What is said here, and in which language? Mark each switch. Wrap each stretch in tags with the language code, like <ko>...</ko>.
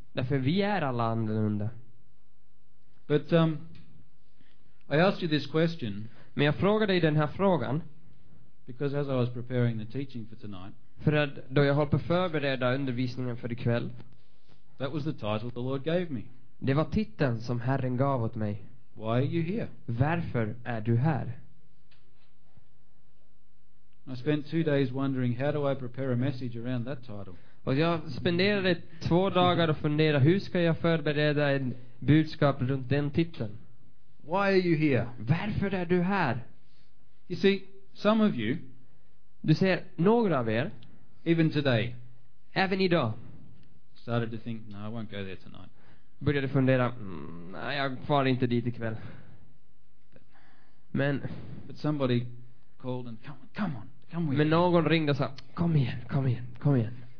<sv>Därför vi är alla annorlunda.</sv> <en>But I asked you this question.</en> <sv>Men jag frågade dig den här frågan.</sv> <en>Because as I was preparing the teaching for tonight.</en> <sv>För att då jag håller på att förbereda undervisningen för ikväll.</sv> <en>That was the title the Lord gave me.</en> <sv>Det var titeln som Herren gav åt mig.</sv> <en>Why are you here?</en> <sv>Varför är du här?</sv> <en>I spent 2 days wondering how do I prepare a message around that title.</en> <sv>Och jag spenderade 2 dagar och funderade hur ska jag förbereda en budskap runt den titeln.</sv> <en>Why are you here?</en> <sv>Varför är du här?</sv> <en>You see, some of you.</en> <sv>Du ser några av er.</sv> <en>Even today.</en> <sv>Även idag.</sv> <en>Started to think, no, I won't go there tonight.</en> <sv>Började fundera, nej, jag far inte dit ikväll. Men.</sv> <en>But somebody called and come on, come with.</en> <sv>Men någon ringde och sa, kom igen.</sv>